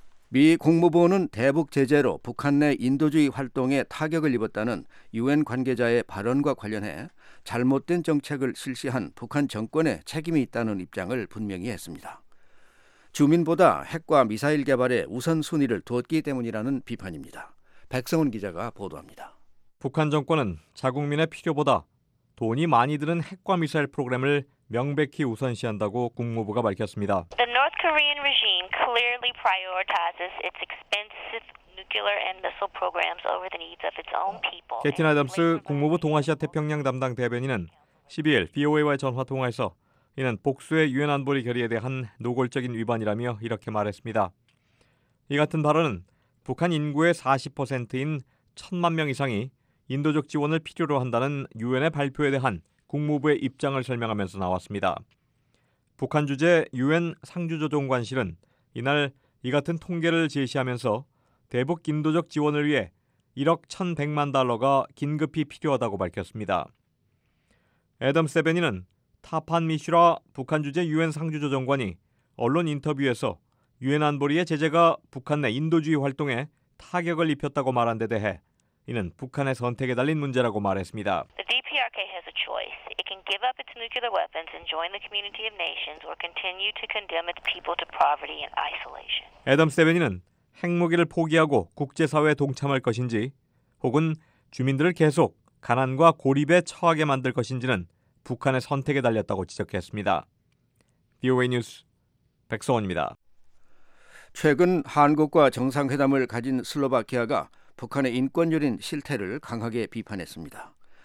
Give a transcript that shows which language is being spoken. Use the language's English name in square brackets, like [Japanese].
[Korean] 미 국무부는 대북 제재로 북한 내 인도주의 활동에 타격을 입었다는 유엔 관계자의 발언과 관련해 잘못된 정책을 실시한 북한 정권에 책임이 있다는 입장을 분명히 했습니다. 주민보다 핵과 미사일 개발에 우선순위를 두었기 때문이라는 비판입니다. 백성훈 기자가 보도합니다. 북한 정권은 자국민의 필요보다 돈이 많이 드는 핵과 미사일 프로그램을 명백히 우선시한다고 국무부가 밝혔습니다. [English] The North Korean regime clearly prioritizes its expensive nuclear and missile programs over the needs of its own people. [Korean] 캐티 아담스 국무부 동아시아 태평양 담당 대변인은 12일 VOA와의 전화 통화에서 이는 복수의 유엔 안보리 결의에 대한 노골적인 위반이라며 이렇게 말했습니다. 이 같은 발언은 북한 인구의 40%인 1천만 명 이상이 인도적 지원을 필요로 한다는 유엔의 발표에 대한 국무부의 입장을 설명하면서 나왔습니다. 북한 주재 유엔 상주조정관실은 이날 이 같은 통계를 제시하면서 대북 인도적 지원을 위해 1억 1,100만 달러가 긴급히 필요하다고 밝혔습니다. 애덤 세베니는 타판 미슈라 북한 주재 유엔 상주조정관이 언론 인터뷰에서 유엔 안보리의 제재가 북한 내 인도주의 활동에 타격을 입혔다고 말한 데 대해 이는 북한의 선택에 달린 문제라고 말했습니다. [English] The DPRK has a choice. It can give up its nuclear weapons and join the community of nations or continue to condemn its people to poverty and isolation. [Korean] 애덤 세베니는 핵무기를 포기하고 국제사회에 동참할 것인지 혹은 주민들을 계속 가난과 고립에 처하게 만들 것인지는 북한의 선택에 달렸다고 지적했습니다. VOA 뉴스 백성원입니다. 최근 한국과 정상회담을 가진 슬로바키아가 북한의 인권유린 실태를 강하게 비판했습니다.